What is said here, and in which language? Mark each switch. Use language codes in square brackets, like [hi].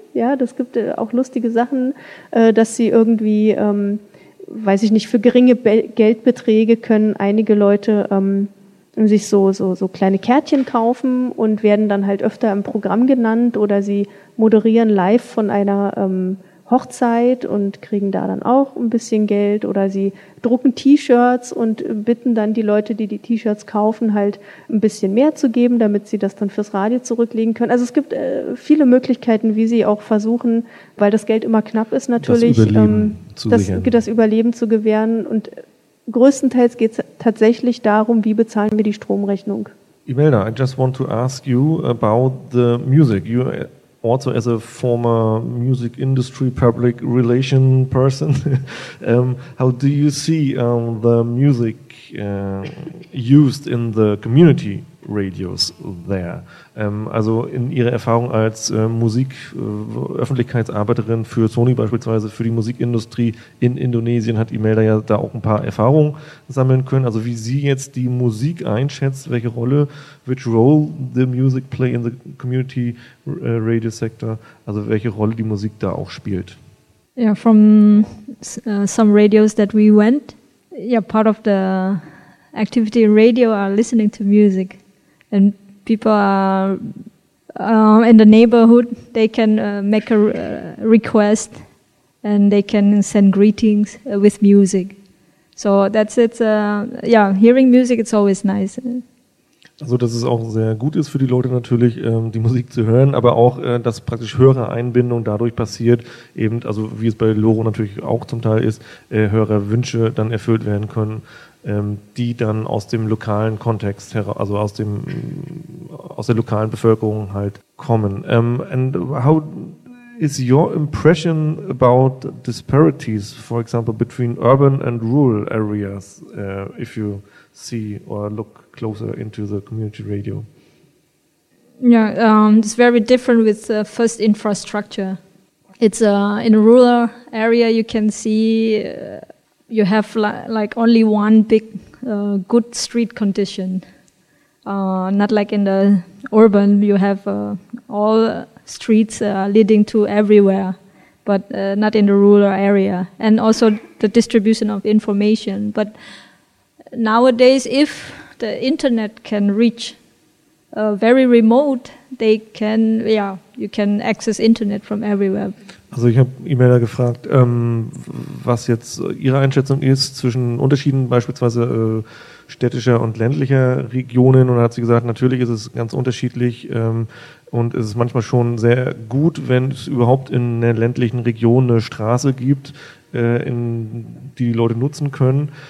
[de] Ja, das gibt auch lustige Sachen, dass sie irgendwie, weiß ich nicht, für geringe Geldbeträge können einige Leute sich so kleine Kärtchen kaufen und werden dann halt öfter im Programm genannt oder sie moderieren live von einer Hochzeit und kriegen da dann auch ein bisschen Geld oder sie drucken T-Shirts und bitten dann die Leute, die die T-Shirts kaufen, halt ein bisschen mehr zu geben, damit sie das dann fürs Radio zurücklegen können. Also es gibt viele Möglichkeiten, wie sie auch versuchen, weil das Geld immer knapp ist natürlich, das Überleben zu gewähren. Und größtenteils geht es tatsächlich darum, wie bezahlen wir die Stromrechnung. [en] Imelda, I just want to ask you about the music. You also as a former music industry public relation person, how do you see the music used in the community radios there? [de] Also in Ihrer Erfahrung als Musik, Öffentlichkeitsarbeiterin für Sony beispielsweise, für die Musikindustrie in Indonesien, hat Imelda ja da auch ein paar Erfahrungen sammeln können. Also wie Sie jetzt die Musik einschätzt, welche Rolle, [en] which role the music play in the community radio sector, [de] also welche Rolle die Musik da auch spielt? [en] Yeah, from some radios that we went, yeah, part of the activity in radio are listening to music. And people are in the neighborhood, they can make a request and they can send greetings with music. So that's it. Yeah, hearing music, it's always nice. [de] Also, dass es auch sehr gut ist für die Leute natürlich, die Musik zu hören, aber auch, dass praktisch höhere Einbindung dadurch passiert, eben, also wie es bei Loro natürlich auch zum Teil ist, höhere Wünsche dann erfüllt werden können, die dann aus dem lokalen Kontext heraus, also aus der lokalen Bevölkerung halt kommen. [en] And how is your impression about disparities, for example, between urban and rural areas, if you see or look closer into the community radio? Yeah, it's very different with first infrastructure. It's in a rural area, you can see you have like only one big good street condition. Not like in the urban, you have all streets leading to everywhere, but not in the rural area. And also the distribution of information. But nowadays, if the internet can reach very remote, they can, yeah, you can access internet from everywhere. [de] Also ich habe Imelda gefragt, was jetzt Ihre Einschätzung ist zwischen Unterschieden beispielsweise städtischer und ländlicher Regionen. Und da hat sie gesagt, natürlich ist es ganz unterschiedlich und es ist manchmal schon sehr gut, wenn es überhaupt in einer ländlichen Region eine Straße gibt, die Leute nutzen können.